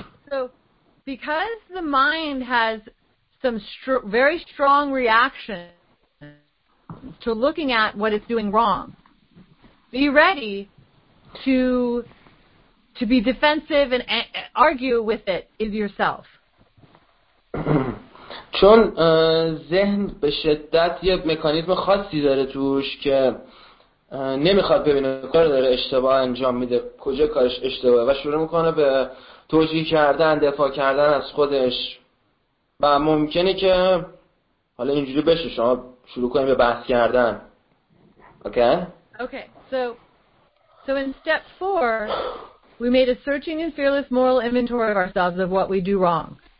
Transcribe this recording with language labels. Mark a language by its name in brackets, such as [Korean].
[English] So because the mind has some very strong reaction to looking at what it's doing wrong, be ready to be defensive and argue with it is yourself. [Persian] چون ذهن به شدت یه مکانیزم خاصی داره توش که نمیخواد ببینه کار داره اشتباه انجام میده، کجا کارش اشتباه، و شروع میکنه به توجیه کردن، دفاع کردن از خودش. و ممکنه که حالا اینجوری بشه، شما شروع کنید به بحث کردن. [English] Okay. So in step 4 we made a searching and fearless moral inventory of ourselves of what we do wrong.